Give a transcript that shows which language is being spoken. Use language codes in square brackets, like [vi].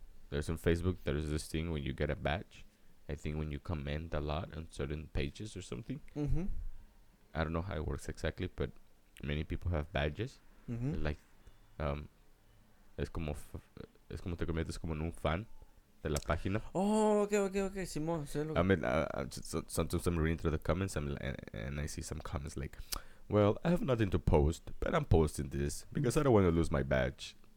[en] There's on Facebook, there's this thing when you get a batch. I think when you comment a lot on certain pages or something. I don't know how it works exactly, but many people have badges. Mm-hmm. [es] Like, es como te conviertes como en un fan de la página. Oh, okay. Simón, sé lo que... [en] I mean, sometimes I'm reading through the comments and I see some comments like, well, I have nothing to post, but I'm posting this because I don't want to lose my badge.